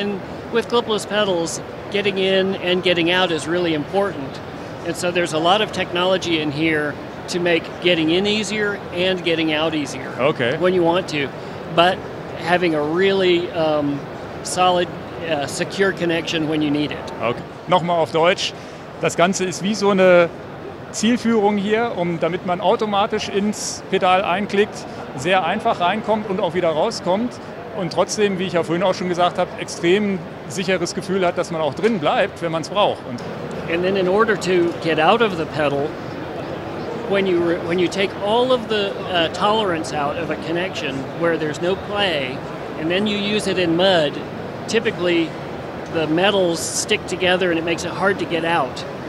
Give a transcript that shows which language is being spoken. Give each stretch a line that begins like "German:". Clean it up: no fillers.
English: And with clipless pedals, getting in and getting out is really important. And so there's a lot of technology in here to make getting in easier and getting out easier. Okay. When you want to. But having a really solid, secure connection when you need it.
German: Okay. Nochmal auf Deutsch. Das Ganze ist wie so eine Zielführung hier, damit man automatisch ins Pedal einklickt, sehr einfach reinkommt und auch wieder rauskommt. Und trotzdem, wie ich ja vorhin auch schon gesagt habe, extrem sicheres Gefühl hat, dass man auch drin bleibt, wenn man es braucht.
English: And then in order to get out of the pedal, when you take all of the tolerance out of a connection where there's no play, and then you use it in mud, typically the metals stick together and it makes it hard to get out.